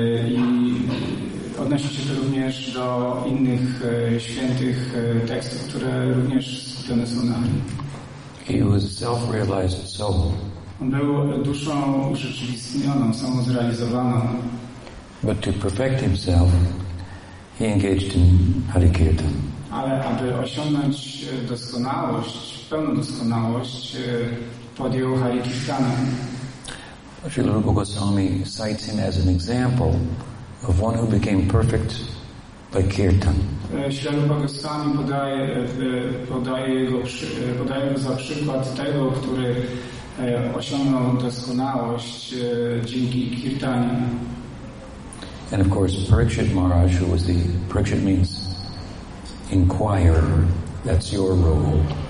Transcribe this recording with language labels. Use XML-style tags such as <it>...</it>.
<pl>I odnosi się to również do innych świętych tekstów, które również skupione są na Hari.</pl> <en>He was a self-realized soul.</en> <pl>On był duszą urzeczywistnioną, samozrealizowaną.</pl> <en>But to perfect himself, he engaged in Hari Kirtan.</en> <pl>Ale aby osiągnąć doskonałość, pełną doskonałość, podjął Hari Kirtana.</pl> <en>Srila Rupa Goswami cites him as an example of one who became perfect by kirtan.</en> <pl>Srila Rupa Goswami podaje go za przykład tego, który osiągnął doskonałość dzięki kirtanie.</pl> <en>And of course, Parikshit Maharaj, who was the Parikshit means inquirer, that's your role.</en>